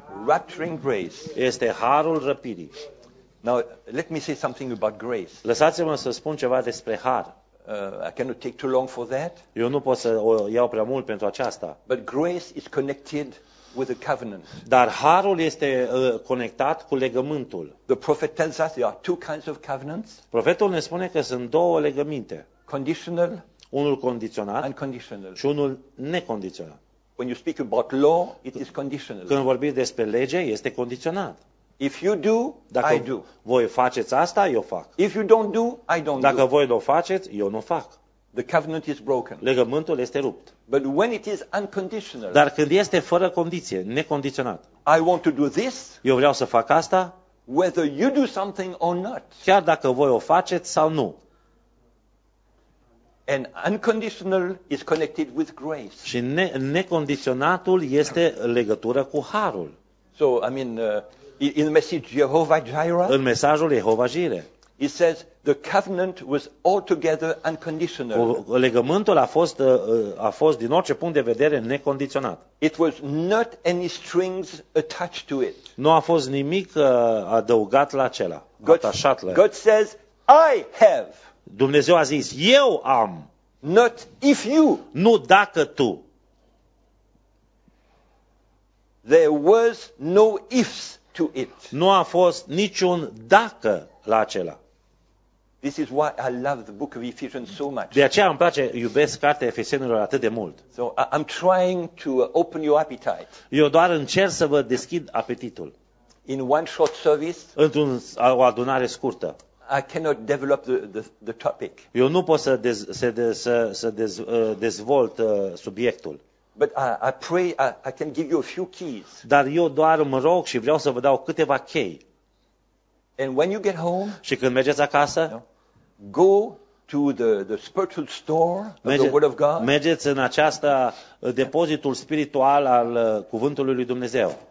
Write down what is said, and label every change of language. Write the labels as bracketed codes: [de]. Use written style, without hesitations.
[en] Rapturing grace. [ro] Este harul răpirii. [en] Now let me say something about grace. [ro] Lăsați-mă să spun ceva despre har. [en] I cannot take too long for that. [ro] Eu nu pot să o iau prea mult pentru aceasta. [en] But grace is connected with the covenant. [ro] Dar harul este conectat cu legământul. [en] The prophet tells us there are two kinds of covenants. [ro] Profetul ne spune că sunt două legăminte. [en] Conditional. [ro] Unul condiționat. [en] Unconditional. [ro] Și unul necondiționat. [en] When you speak about law, it is conditional. [ro] Când vorbiți despre lege, este condiționat. [en] If you do, [ro] dacă [en] I do. [ro] Voi faceți asta, eu fac. [en] If you don't do, I don't do. [ro] Dacă voi nu faceți, eu nu fac. [en] The covenant is broken. [ro] Legământul este rupt. [en] But when it is unconditional. [ro] Dar când este fără condiție, necondiționat. [en] I want to do this. [ro] Eu vreau să fac asta. [en] Whether you do something or not. [ro] Chiar dacă voi o faceți sau nu. [en] And unconditional is connected with grace. [ro] Și necondiționatul este legătură cu harul. [en] So, I mean, in the message Jehovah Jireh. [ro] În mesajul Jehovah Jireh. [en] It says the covenant was altogether unconditional. [ro] Legământul a fost din orice punct de vedere necondiționat. [en] It was not any strings attached to it. [ro] Nu a fost nimic adăugat la acela, atașat la. [en] God says, I have. [ro] Dumnezeu a zis, eu am. [en] Not if you. [ro] Nu dacă tu. [en] There was no ifs to it. [ro] Nu a fost niciun dacă la acela. [en] This is why I love the book of Ephesians so much. [ro] De aceea îmi place, iubesc cartea Efesenilor atât de mult. [en] So I'm trying to open your appetite. [ro] Eu doar încerc să vă deschid apetitul. [en] In one short service. [ro] Într-un o adunare scurtă. [en] I cannot develop the topic. [ro] Eu nu pot să dezvolt subiectul. [en] But I pray I can give you a few keys. [ro] Dar eu doar mă rog și vreau să vă dau câteva chei. [en] And when you get home, [ro] și când mergeți acasă, [en] go to the spiritual store of the Word of God. [ro] Mergeți în această depozitul spiritual al cuvântului lui Dumnezeu.